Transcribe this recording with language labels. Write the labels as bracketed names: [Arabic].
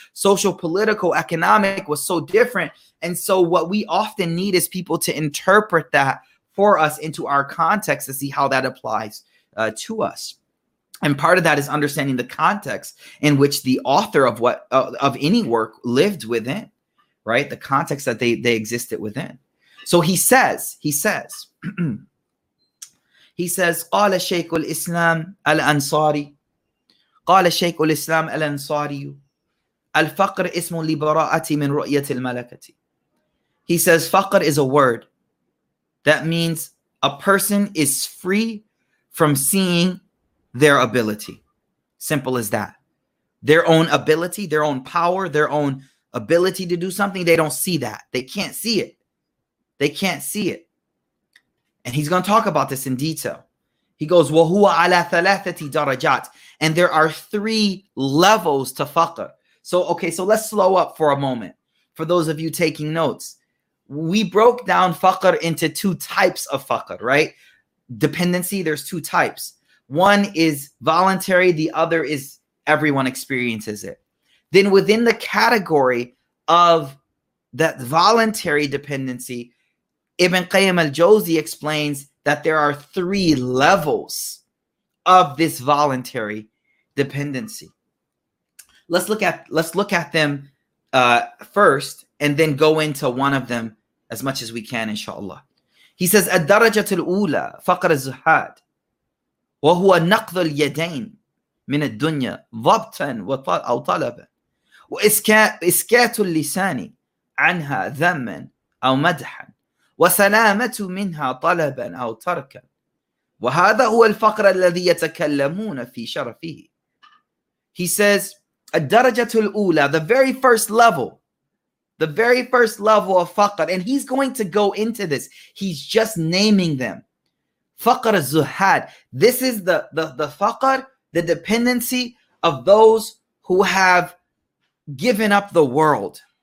[English] Social, political, economic was so different. And so what we often need is people to interpret that for us into our context to see how that applies to us. And part of that is understanding the context in which the author of what of any work lived within, right? The context that they existed within. So he says, he says, [Arabic] قال شيخ الإسلام الأنصاري قال شيخ الإسلام الأنصاري الفقر اسم لبراءة من رؤية الملكة. [English] He says, فقر is a word that means a person is free from seeing their ability. Simple as that. Their own ability, their own power, their own ability to do something, they don't see that. They can't see it. They can't see it. And he's going to talk about this in detail. He goes, [Arabic] وَهُوَ عَلَى ثَلَاثَةِ دَرَجَاتٍ. [English] And there are three levels to faqr. So, okay, so let's slow up for a moment. For those of you taking notes, we broke down faqr into two types of faqr, right? Dependency, there's two types. One is voluntary. The other is everyone experiences it. Then within the category of that voluntary dependency, Ibn Qayyim al-Jawzi explains that there are three levels of this voluntary dependency. Let's look at them first and then go into one of them as much as we can, inshallah. He says, [Arabic] الدرجه الاولى فقر الزهاد وهو نقض اليدين من الدنيا ضبطا او طلبا واسكات اللسان عنها ذما او مدحا وسلامه منها طلبا او تركا وهذا هو الفقر الذي يتكلمون في شرفه. [English] He says, [Arabic] الدرجه الاولى, [English] the very first level, the very first level of faqr, and he's going to go into this. He's just naming them. Faqr zuhad. This is the faqr, the dependency of those who have given up the world.